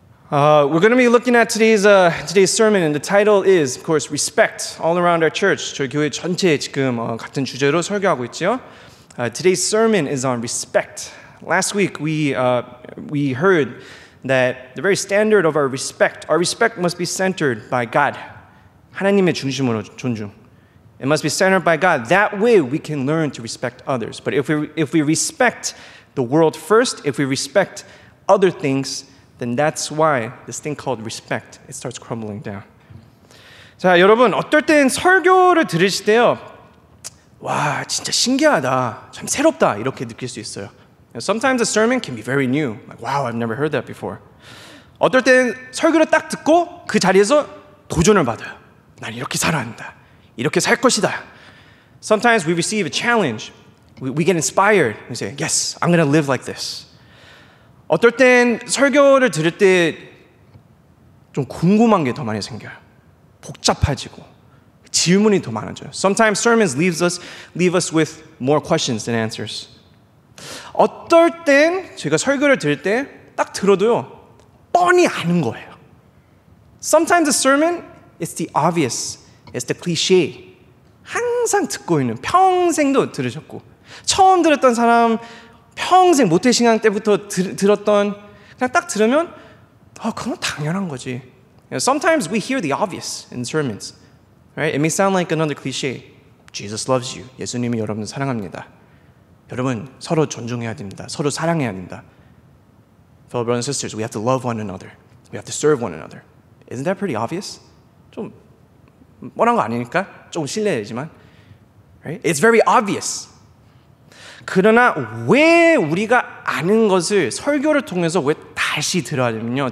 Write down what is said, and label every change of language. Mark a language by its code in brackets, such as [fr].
[en] We're going to be looking at today's sermon, and the title is, of course, Respect All Around Our Church. [ko] 저희 교회 전체에 지금 같은 주제로 설교하고 있죠. [en] Today's sermon is on respect. Last week, we heard that the very standard of our respect must be centered by God. [ko] 하나님의 중심으로 존중. [en] It must be centered by God. That way we can learn to respect others. But if we respect the world first, if we respect other things, then that's why this thing called respect, it starts crumbling down. [ko] 자, 여러분, 어떨 땐 설교를 들으실 때요, 와, 진짜 신기하다. 참 새롭다. 이렇게 느낄 수 있어요. [en] Sometimes a sermon can be very new. Like, wow, I've never heard that before. [ko] 어떨 때는 설교를 딱 듣고 그 자리에서 도전을 받아요. 난 이렇게 살아야 한다. 이렇게 살 것이다. [en] Sometimes we receive a challenge. We get inspired. We say, yes, I'm going to live like this. [ko] 어떨 땐 설교를 들을 때 좀 궁금한 게 더 많이 생겨요. 복잡해지고 질문이 더 많아져요. [en] Sometimes sermons leave us with more questions than answers. [ko] 어떨 땐 제가 설교를 들을 때 딱 들어도요. 뻔히 아는 거예요. [en] Sometimes a sermon is the obvious. It's the cliché. [ko] 항상 듣고 있는 평생도 들으셨고 처음 들었던 사람 평생 모태 신앙 때부터 들었던 그냥 딱 들으면 그건 당연한 거지. [en] Sometimes we hear the obvious in sermons. Right? It may sound like another cliché. Jesus loves you. [ko] 예수님이 여러분을 사랑합니다. 여러분 서로 존중해야 됩니다. 서로 사랑해야 됩니다. [en] Fellow brothers and sisters, we have to love one another. We have to serve one another. Isn't that pretty obvious? [ko] 좀 뻔한 거 아니니까 조금 실례지만. [en] Right? It's very obvious. [ko] 그러나 왜 우리가 아는 것을 설교를 통해서 왜 다시 들어야 되냐면요.